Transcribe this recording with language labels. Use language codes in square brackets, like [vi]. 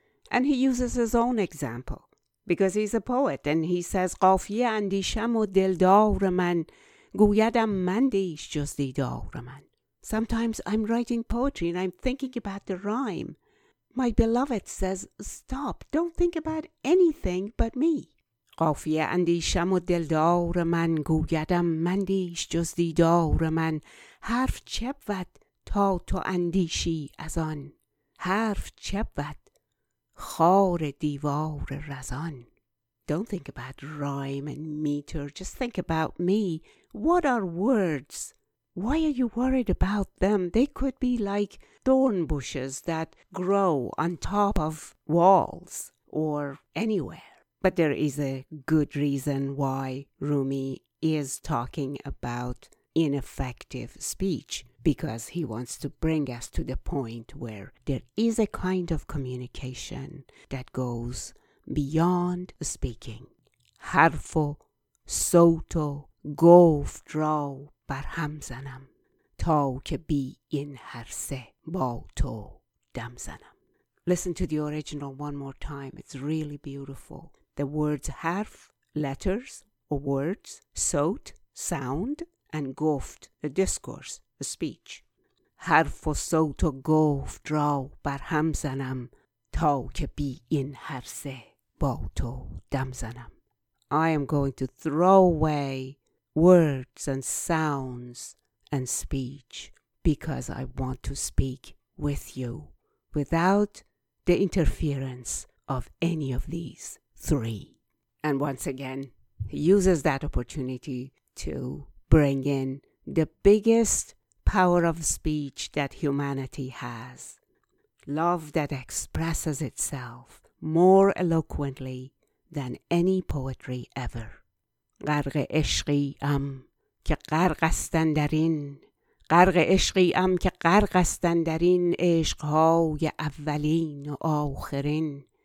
[en] And he uses his own example, because he's a poet, and he says, [fa] قافیه اندیشم و دلدار من گویدم مندیش جز دیدار من. [en] Sometimes I'm writing poetry and I'm thinking about the rhyme. My beloved says, stop, don't think about anything but me. [fa] قافیه اندیشم و دلدار من گویدم مندیش جز دیدار من. حرف چه بود تا تو اندیشی از آن، حرف چه بود خار دیوار رزان. [en] Don't think about rhyme and meter, just think about me. What are words? Why are you worried about them? They could be like thorn bushes that grow on top of walls or anywhere. But there is a good reason why Rumi is talking about ineffective speech, because he wants to bring us to the point where there is a kind of communication that goes beyond speaking. [fa] حرف و صوت و گفت را برهم زنم تا که بی این هر سه با تو دم زنم. [en] Listen to the original one more time. It's really beautiful. The words حرف, letters or words, صوت, sound, and گفت, the discourse, the speech. [fa] حرف و صوت و گفت را برهم زنم تا که بی این هر سه با تو دم زنم. [en] I am going to throw away words and sounds and speech because I want to speak with you without the interference of any of these three. And once again, he uses that opportunity to bring in the biggest power of speech that humanity has, love that expresses itself more eloquently than any poetry ever. [fa] غرق عشقی ام که غرق است در این، غرق عشقی ام که غرق است در این عشق‌های اولین و آخرین.